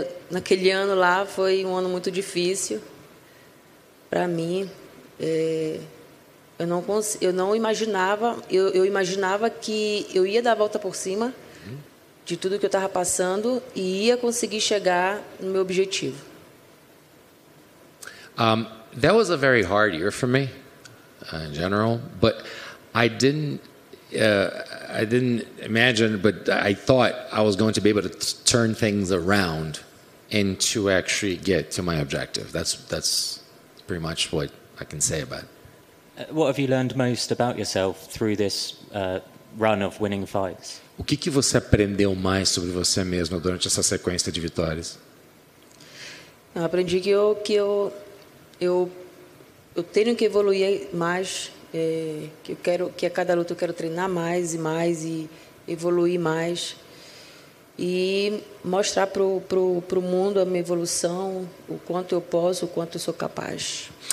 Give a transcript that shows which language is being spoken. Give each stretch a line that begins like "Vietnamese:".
Portuguese: Naquele ano lá foi um ano muito difícil. Para mim, eu imaginava que eu ia dar a volta por cima de tudo que eu estava passando e ia conseguir chegar no meu objetivo.
English: That was a very hard year for me, in general, but I didn't imagine, but I thought I was going to be able to turn things around and to actually get to my objective. That's pretty much what I can say about it. What have you learned most about yourself through this run of winning fights?
Portuguese: O que você aprendeu mais sobre você mesmo durante essa sequência de vitórias? Eu aprendi que eu tenho que evoluir mais, que a cada luta eu quero treinar mais e mais e evoluir mais e mostrar pro mundo a minha evolução, o quanto eu posso, o quanto eu sou capaz.